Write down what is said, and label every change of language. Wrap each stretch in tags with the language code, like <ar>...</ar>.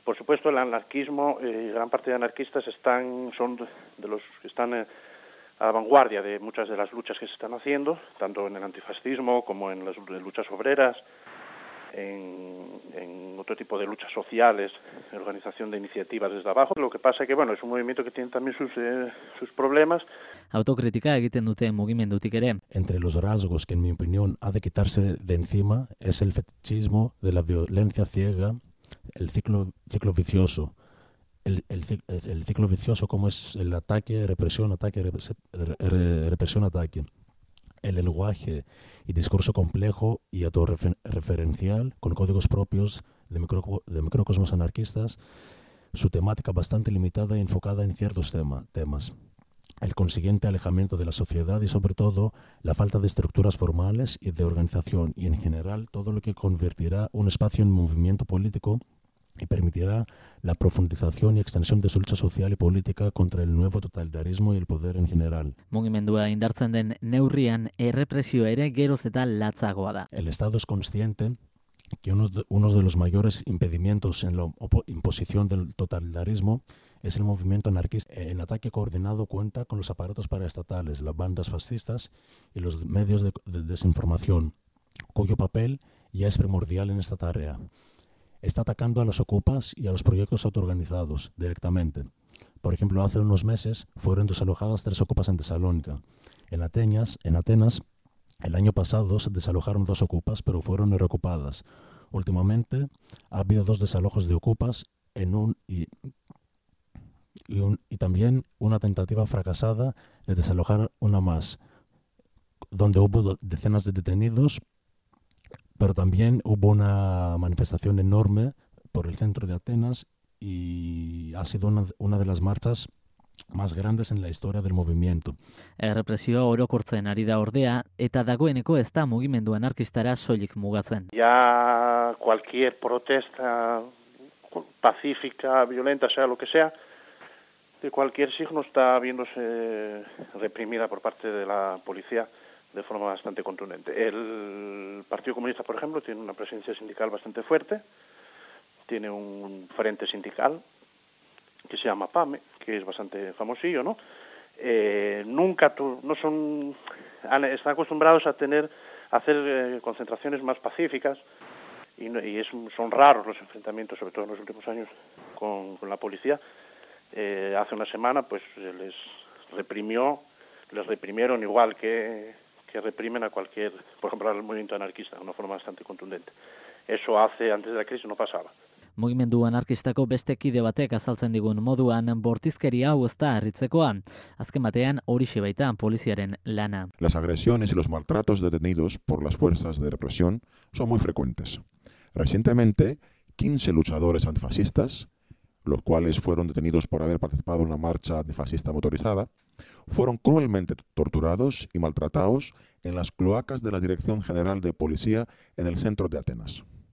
<es>Por supuesto, el anarquismo y gran parte de anarquistas son de los que están a la vanguardia de muchas de las luchas que se están haciendo, tanto en el antifascismo como en las luchas obreras, en otro tipo de luchas sociales, organización de iniciativas desde abajo. Lo que pasa es que, bueno, es un movimiento que tiene también sus problemas.</es> <eu>Autocrítica egiten dute mugimendutik ere.</eu> <es>Entre los rasgos que, en mi opinión, ha de quitarse de encima es el fetichismo de la violencia ciega, el ciclo vicioso. El ciclo vicioso como es el ataque, represión, ataque, represión, ataque. El lenguaje y discurso complejo y autorreferencial con códigos propios de microcosmos anarquistas, su temática bastante limitada y enfocada en ciertos temas. El consiguiente alejamiento de la sociedad y sobre todo la falta de estructuras formales y de organización y en general todo lo que convertirá un espacio en movimiento político y permitirá la profundización y extensión de su lucha social y política contra el nuevo totalitarismo y el poder en general.</es> <eu>Mugimendua indartzen den neurrian errepresio ere geroz eta latzagoa da.</eu> <es>El Estado es consciente que uno de los mayores impedimentos en la imposición del totalitarismo es el movimiento anarquista. El ataque coordinado cuenta con los aparatos paraestatales, las bandas fascistas y los medios de desinformación, cuyo papel ya es primordial en esta tarea. Está atacando a los ocupas y a los proyectos autoorganizados directamente. Por ejemplo, hace unos meses fueron desalojadas 3 ocupas en Tesalónica. En Atenas, el año pasado se desalojaron 2 ocupas, pero fueron reocupadas. Últimamente ha habido 2 desalojos de ocupas en un y y también una tentativa fracasada de desalojar una más, donde hubo decenas de detenidos, pero también hubo una manifestación enorme por el centro de Atenas y ha sido una de las marchas más grandes en la historia del movimiento.</es> <eu>Errepresioa orokortzen ari da ordea, eta dagoeneko ez da mugimendu anarkistara soilik mugatzen.</eu> <es>Ya cualquier protesta pacífica, violenta, sea lo que sea, de cualquier signo está viéndose reprimida por parte de la policía de forma bastante contundente. El Partido Comunista, por ejemplo, tiene una presencia sindical bastante fuerte, tiene un frente sindical que se llama PAME, que es bastante famosillo, ¿no? Nunca tu, no son están acostumbrados a tener a hacer concentraciones más pacíficas y son raros los enfrentamientos, sobre todo en los últimos años con la policía. Hace una semana pues les reprimieron igual que reprimen a cualquier, por ejemplo, al movimiento anarquista de una forma bastante contundente. Eso hace antes de la crisis no pasaba.</es> <eu>Mugimendu anarkistako beste kide batek azaltzen digun moduan bortizkeri hau ez da harritzekoa. Azken batean horixe baita poliziaren lana.</eu> <es>Las agresiones y los maltratos de detenidos por las fuerzas de represión son muy frecuentes. Recientemente, 15 luchadores antifascistas, los cuales fueron detenidos por haber participado en una marcha antifascista motorizada, fueron cruelmente torturados y maltratados en las cloacas de la Dirección General de Policía en el centro de Atenas.</es>